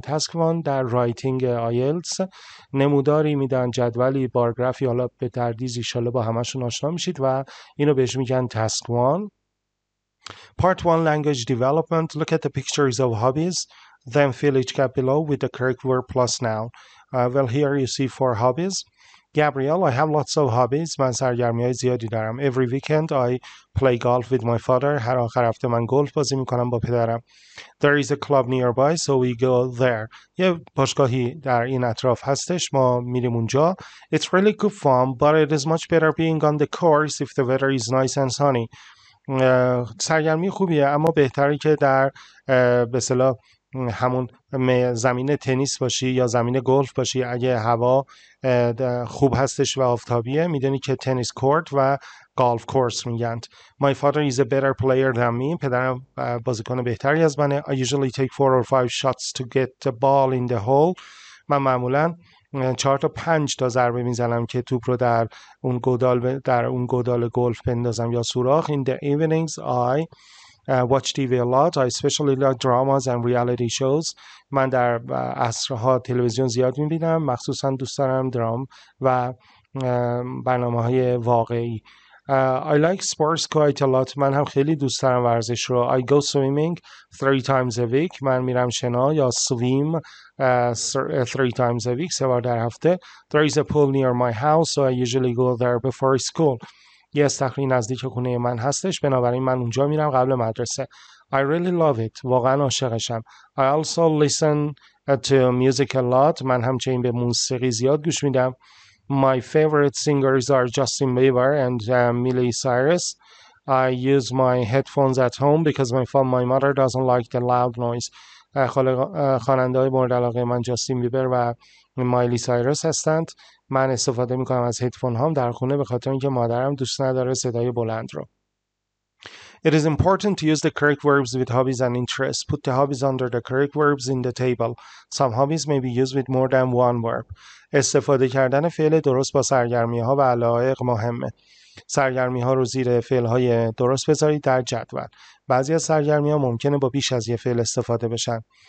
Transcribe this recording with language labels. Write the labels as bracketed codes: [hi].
[fa] تسک وان در رایتینگ آیلتس نموداری میدن، جدولی، بارگرافی، حالا به تردیز ایشالا با همشون آشنا میشید و اینو بهش میگن تسک وان. [en] Part 1 Language Development. Look at the pictures of hobbies. Then fill each gap below with the correct word plus noun. Well, here you see 4 hobbies. Gabriel, I have lots of hobbies. [fa] من سرگرمی‌های زیادی دارم. [en] Every weekend I play golf with my father. [fa] هر آخر هفته من گلف بازی می‌کنم با پدرم. [en] There is a club nearby, so we go there. [fa] یه باشگاهی در این اطراف هستش، ما میریم اونجا. [en] It's really good fun, but it is much better being on the course if the weather is nice and sunny. [fa] سرگرمی خوبیه، اما بهتره که در به اصطلاح همون زمین تنیس باشی یا زمین گلف باشی اگه هوا خوب هستش و آفتابیه. میدونی که تنیس کورت و گلف کورس میگن. [en] My father is a better player than me. [fa] پدرم بازیکن بهتری از منه. [en] I usually take 4 or 5 shots to get the ball in the hole. [fa] من معمولا 4 to 5 تا ضربه میزنم که توپ رو در اون گودال گلف بندازم یا سوراخ. [en] In the evenings I watch TV a lot. I especially like dramas and reality shows. [fa] من در عصرها تلویزیون زیاد میبینم. مخصوصا دوست دارم درام و برنامه های واقعی. [en] I like sports quite a lot. [fa] من هم خیلی دوست دارم ورزش رو. [en] I go swimming 3 times a week. [fa] من میرم شنا یا [en] swim 3 times a week. [fa] سه بار در هفته. [en] There is a pool near my house, so I usually go there before school. [fa] یه استخری نزدیک خونه من هستش. بنابراین من اونجا میرم قبل مدرسه. [en] I really love it. [fa] واقعا عاشقشم. [en] I also listen to music a lot. [fa] من همچنین به موسیقی زیاد گوش میدم. [en] My favorite singers are Justin Bieber and Miley Cyrus. I use my headphones at home because my mother doesn't like the loud noise. [fa] خواننده‌های مورد علاقه من جاستین بیبر و مایلی سایرس هستند. من استفاده می‌کنم از هدفون‌هام در خونه به خاطر اینکه مادرم دوست نداره صدای بلند رو. [en] It is important to use the correct verbs with hobbies and interests. Put the hobbies under the correct verbs in the table. Some hobbies may be used with more than one verb. [fa] استفاده کردن فعل درست با سرگرمی‌ها و علایق مهمه. سرگرمی‌ها رو زیر فعل‌های درست بذارید در جدول. بعضی از سرگرمی‌ها ممکنه با بیش از یک فعل استفاده بشن.